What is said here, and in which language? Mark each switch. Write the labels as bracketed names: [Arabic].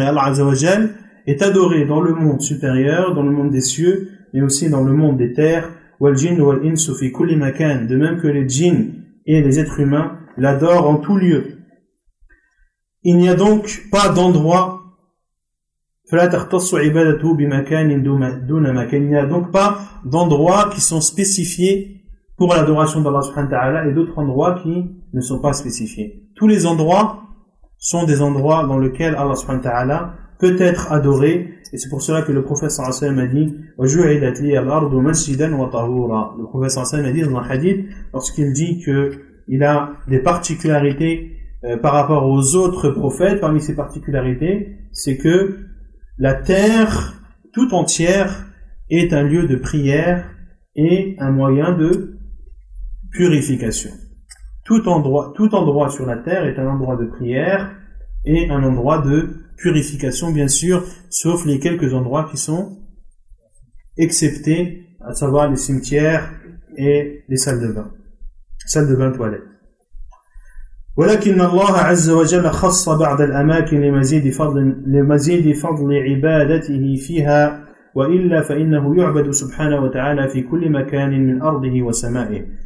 [French] Et Allah Azza wa Jal est adoré dans le monde supérieur, dans le monde des cieux, mais aussi dans le monde des terres. [Arabic] Wal jinn wal insu fi kulli makan. [French] De même que les djinns et les êtres humains l'adorent en tout lieu. Il n'y a donc pas d'endroit. [Arabic] فلا تختص عبادته بمكان دون مكان. [French] Il n'y a donc pas d'endroits qui sont spécifiés pour l'adoration d'Allah subhanahu wa ta'ala et d'autres endroits qui ne sont pas spécifiés. Tous les endroits sont des endroits dans lesquels Allah subhanahu wa ta'ala peut être adoré, et c'est pour cela que le prophète sallallahu alayhi wa sallam a dit [Arabic] wa ju'ilat li al-ardu masjidan wa tahura. [French] Le prophète sallallahu alayhi wa sallam a dit dans un hadith, lorsqu'il dit que il a des particularités par rapport aux autres prophètes, parmi ces particularités c'est que la terre tout entière est un lieu de prière et un moyen de purification. Tout endroit sur la terre est un endroit de prière et un endroit de purification, bien sûr, sauf les quelques endroits qui sont exceptés, à savoir les cimetières et les salles de bain, toilettes. [Arabic] ولكن الله عز وجل خص بعض الأماكن لمزيد فضل عبادته فيها وإلا فإنه يعبد سبحانه وتعالى في كل مكان من أرضه وسمائه.